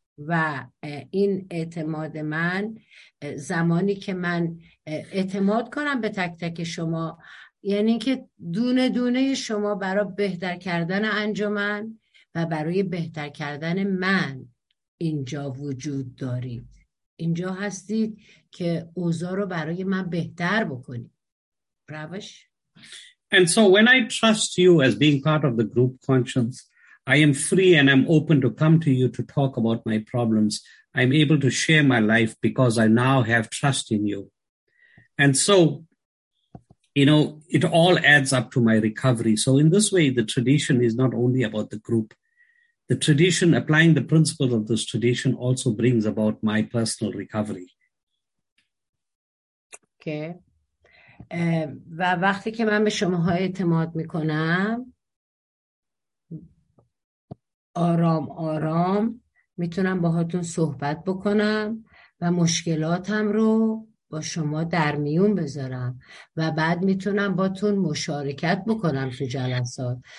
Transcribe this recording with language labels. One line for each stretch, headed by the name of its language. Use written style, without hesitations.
Persian: و این اعتماد من زمانی که من اعتماد کنم به تک تک شما، یعنی که دونه دونه شما برای بهتر کردن انجمن و برای بهتر کردن من اینجا وجود دارید، اینجا هستید که اوضاع رو برای من بهتر بکنید. روش
English: And so when I trust you as being part of the group conscience, I am free and I'm open to come to you to talk about my problems. I'm able to share my life because I now have trust in you. And so, you know, it all adds up to my recovery. So in this way, the tradition is not only about the group. The tradition, applying the principles of this tradition, also brings about my personal recovery. Okay.
Persian: و وقتی که من به شماها اعتماد میکنم آرام آرام میتونم باهاتون صحبت بکنم و مشکلاتم رو با شما در میون بذارم و بعد میتونم باهاتون مشارکت بکنم تو جلسات